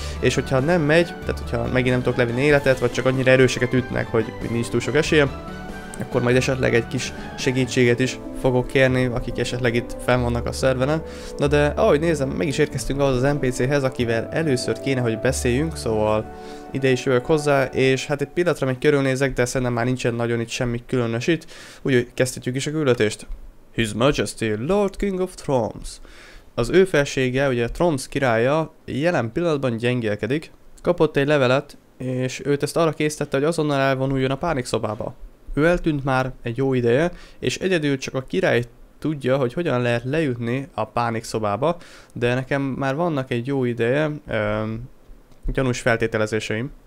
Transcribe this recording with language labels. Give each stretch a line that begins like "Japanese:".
Hungarian: És hogyha nem megy, tehát hogyha megint nem tudok levinni életet, vagy csak annyira erőseket ütnek, hogy nincs túl sok esélyem, akkor majd esetleg egy kis segítséget is fogok kérni, akik esetleg itt fenn vannak a szerveren. Na de ahogy nézem, meg is érkeztünk ahhoz az NPC-hez, akivel először kéne, hogy beszéljünk, szóval ide is jövök hozzá, és hát egy pillanatra még körülnézek, de szerintem már nincsen nagyon itt semmi különös itt, úgyhogy kezdhetjük is a küldetést.
English: His Majesty, Lord King of Troms.
Hungarian: Az ő felsége, ugye Troms királya, jelen pillanatban gyengélkedik, kapott egy levelet, és őt ezt arra késztette, hogy azonnal elvonuljon a pánikszobába. Ő eltűnt már egy jó ideje, és egyedül csak a király tudja, hogy hogyan lehet lejutni a pánikszobába, de nekem már vannak egy jó ideje, gyanús feltételezéseim.